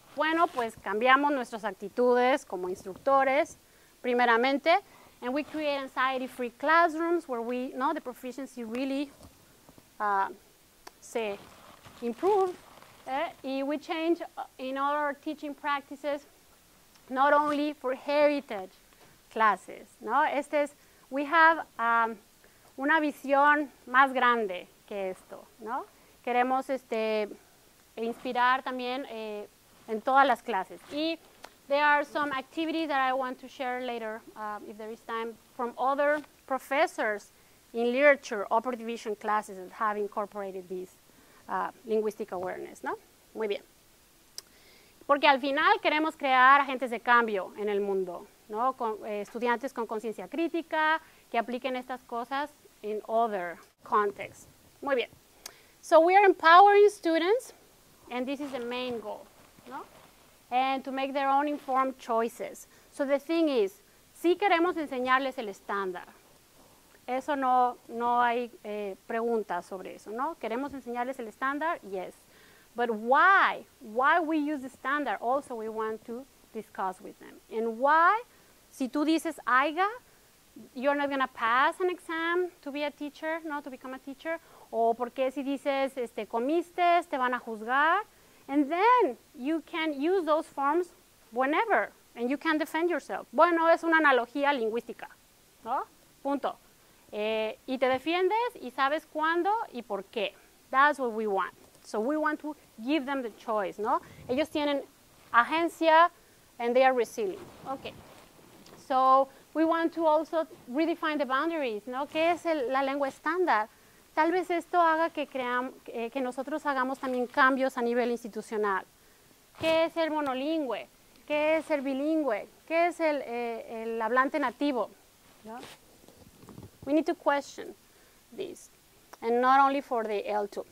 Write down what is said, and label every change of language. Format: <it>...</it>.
<es>Bueno, pues cambiamos nuestras actitudes como instructores, primeramente,</es> <en>and we create anxiety-free classrooms where we know the proficiency really se improve. We change in all our teaching practices, not only for heritage classes, no? We have</en> <es>una visión más grande que esto, no? Queremos inspirar también en todas las clases.</es> <en>Y there are some activities that I want to share later, if there is time, from other professors in literature, upper division classes that have incorporated this linguistic awareness, no?</en> <es>Muy bien. Porque al final queremos crear agentes de cambio en el mundo, ¿no? Con, estudiantes con conciencia crítica que apliquen estas cosas</es> <en>in other contexts.</en> <es>Muy bien.</es> <en>So we are empowering students, and this is the main goal, ¿no? And to make their own informed choices. So the thing is,</en> <es>sí queremos enseñarles el estándar. Eso no hay preguntas sobre eso, ¿no? Queremos enseñarles el estándar,</es> <en>yes. But why? Why we use the standard? Also, we want to discuss with them. And why?</en> <es>Si tú dices</es> <en>AIGA, you're not going to pass an exam to be a teacher, no, to become a teacher.</en> <es>O porque si dices comiste, te van a juzgar.</es> <en>And then you can use those forms whenever. And you can defend yourself.</en> <es>Bueno, es una analogía lingüística, ¿no? Punto. Y te defiendes y sabes cuándo y por qué.</es> <en>That's what we want. So we want to give them the choice, no?</en> <es>Ellos tienen agencia</es> <en>and they are resilient. Okay. So we want to also redefine the boundaries, no?</en> <es>¿Qué es la lengua estándar? Tal vez esto haga que nosotros hagamos también cambios a nivel institucional. ¿Qué es el monolingüe? ¿Qué es el bilingüe? ¿Qué es el hablante nativo? No?</es> <en>We need to question this. And not only for the L2.</en>